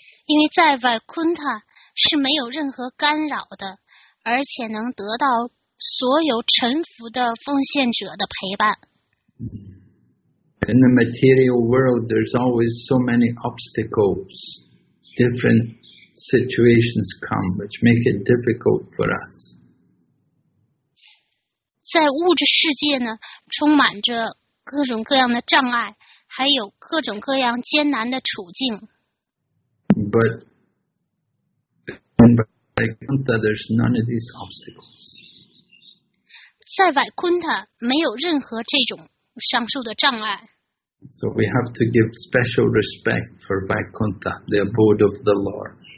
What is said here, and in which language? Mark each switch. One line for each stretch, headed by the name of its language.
Chinese: 因为在 Vaikuntha 是没有任何干扰的，而且能得到所有臣服的奉献者的陪伴。
English: In the material world, there's always so many obstacles. Different situations come, which make it difficult for us.
Chinese: 在物质世界呢，充满着各种各样的障碍，还有各种各样艰难的处境。
English: But in Vaikuntha, there's none of these obstacles.
Chinese: 在 Vaikuntha 没有任何这种上述的障碍。
English: So we have to give special respect for Vaikuntha, the abode of the Lord.